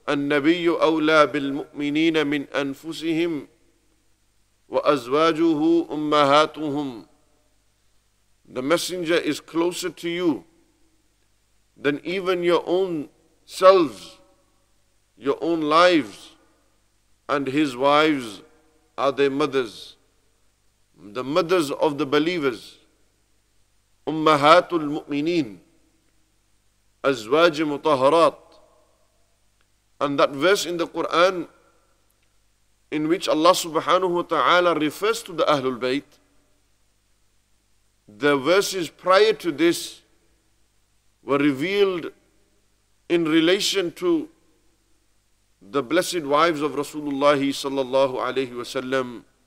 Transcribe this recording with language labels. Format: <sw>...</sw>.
<ar>النبي أولى بالمؤمنين من أنفسهم وأزواجه أمهاتهم.</ar> <en>The messenger is closer to you than even your own selves, your own lives, and his wives are their mothers. The mothers of the believers,</en> <ar>أمهات المؤمنين, أزواج مطهرات.</ar> <en>And that verse in the Quran in which Allah subhanahu wa ta'ala refers to the Ahlul Bayt, the verses prior to this were revealed in relation to the blessed wives of Rasulullah sallallahu alayhi wa sallam.</en>